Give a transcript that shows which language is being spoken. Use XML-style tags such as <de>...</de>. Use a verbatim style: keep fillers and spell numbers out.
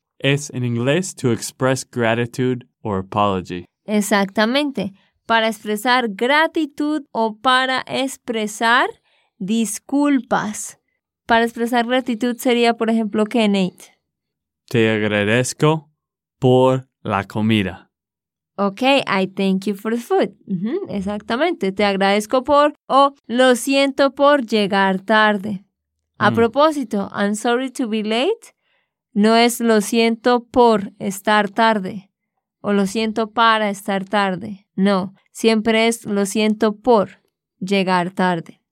<es>Es en inglés</es> <en>to express gratitude or apology.</en> <es>Exactamente. Para expresar gratitud o para expresar disculpas. Para expresar gratitud sería, por ejemplo, ¿qué, Nate? Te agradezco por la comida.</es> <en>Ok, I thank you for the food.</en> <es>Uh-huh, exactamente, te agradezco por o lo siento por llegar tarde. A mm. propósito,</es> <en>I'm sorry to be late</en> <es>no es lo siento por estar tarde o lo siento para estar tarde. No, siempre es lo siento por llegar tarde.</es>